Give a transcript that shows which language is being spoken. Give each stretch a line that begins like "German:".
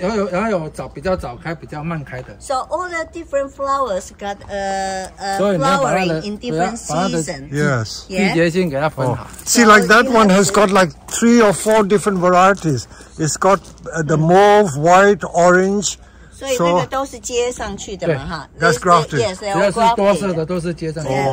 Chinese: 然后有早比较早开比较慢开的
English: So all the different flowers got flowering in different seasons. Yes.
Chinese: 季节性给它分好
English: See like that one has got like 3 or 4 different varieties. It's got the mauve, white, orange.
Chinese: 所以那个都是接上去的嘛哈
English: That's grafted. Yes, they are grafted.
Chinese: 只要是多色的都是接上去的